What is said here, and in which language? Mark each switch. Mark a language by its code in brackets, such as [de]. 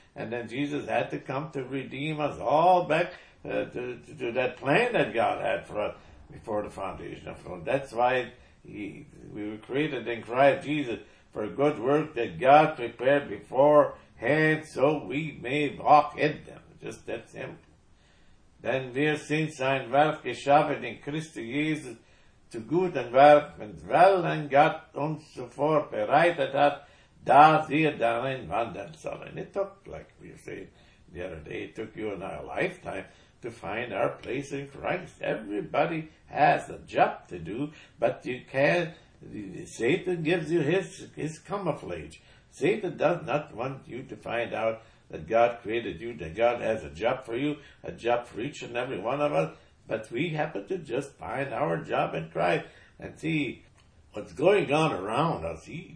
[en] And then Jesus had to come to redeem us all back to that plan that God had for us before the foundation of the world. That's why we were created in Christ Jesus for good work that God prepared beforehand so we may walk in them. Just that simple. [de] Denn wir sind sein Werk geschaffen in Christus Jesus zu guten Werken, welchen Gott uns zuvor bereitet hat, da wir darin wandern sollen. [en] It took, like we said the other day, it took you and I a lifetime to find our place in Christ. Everybody has a job to do, but you can't. Satan gives you his camouflage. Satan does not want you to find out that God created you, that God has a job for you, a job for each and every one of us, but we happen to just find our job in Christ and see what's going on around us.